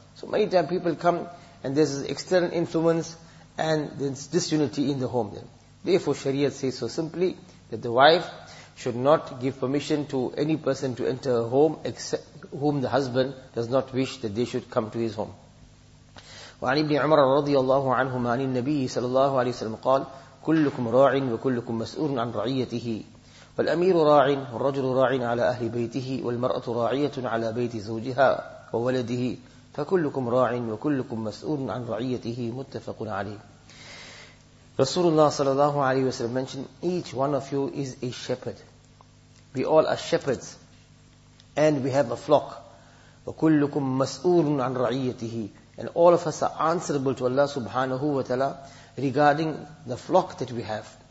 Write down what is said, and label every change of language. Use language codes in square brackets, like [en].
[en] So many times people come and there's external influence and there's disunity in the home then. Therefore Sharia says so simply that the wife should not give permission to any person to enter her home except whom the husband does not wish that they should come to his home. [ar] وعن ابن عمر رضي الله عنهما عن النبي صلى الله عليه وسلم قال كلكم راع وكلكم مسؤول عن رعيته فالأمير راع والرجل راع على أهل بيته والمرأة راعية على بيت زوجها وولده فكلكم راع وكلكم مسؤول عن رعيته متفق عليه. [en] رسول الله صلى الله عليه وسلم mentioned each one of you is a shepherd. We all are shepherds and we have a flock. [ar] وكلكم مسؤول عن رعيته. [en] And all of us are answerable to Allah subhanahu wa ta'ala regarding the flock that we have.